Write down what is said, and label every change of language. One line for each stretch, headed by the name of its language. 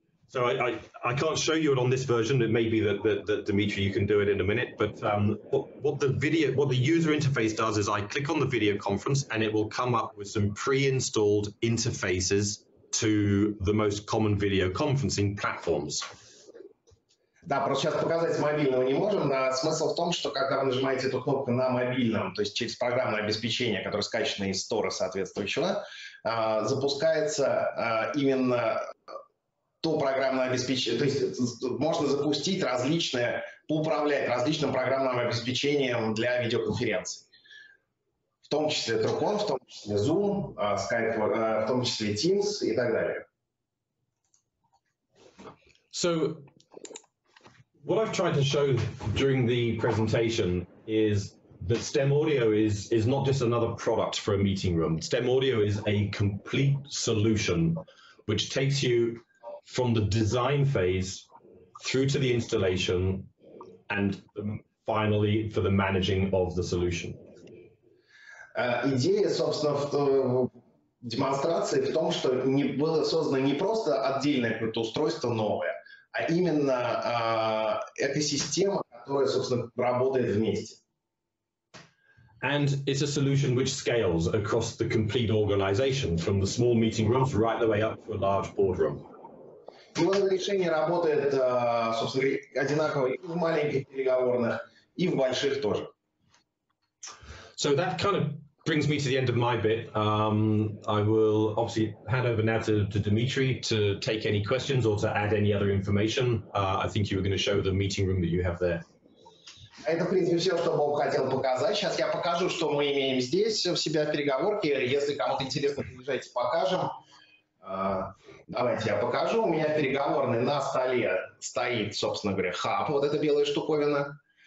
English: So I can't show you it on this version, it may be that, that Dimitri, you can do it in a minute, but what the video, what the user interface does is I click on the video conference and it will come up with some pre-installed interfaces to the most common video conferencing platforms.
Russian: Да, просто сейчас показать с мобильного не можем, но смысл в том, что когда вы нажимаете эту кнопку на мобильном, то есть через программное обеспечение, которое скачано из стора соответствующего, запускается именно то программное обеспечение, то есть можно запустить различные, поуправлять различным программным обеспечением для видеоконференции. В том числе Трукон, в том числе Zoom, Skype, в том числе Teams и так далее.
English: So, what I've tried to show during the presentation is that StemAudio is not just another product for a meeting room. StemAudio is a complete solution, which takes you from the design phase through to the installation and finally for the managing of the solution.
Russian: Идея, собственно, в демонстрации в том, что не было создано не просто отдельное какое-то устройство новое, а именно экосистема, которая, собственно, работает вместе.
English: And it's a solution which scales across the complete organization, from the small meeting rooms right the way up to a large boardroom.
Russian: И вот это решение работает, собственно, одинаково и в маленьких переговорных, и в больших тоже.
English: So that kind of brings me to the end of my bit. I will obviously hand over now to Dimitri to take any questions or to add any other information. I think you were going to show the meeting room that you have there.
Russian: Это, в принципе, все, что Боб хотел показать. Сейчас я покажу, что мы имеем здесь у себя в переговорке. Если кому-то интересно, приезжайте, покажем. Давайте я покажу. У меня в переговорной на столе стоит, собственно говоря, хаб, вот эта белая штуковина.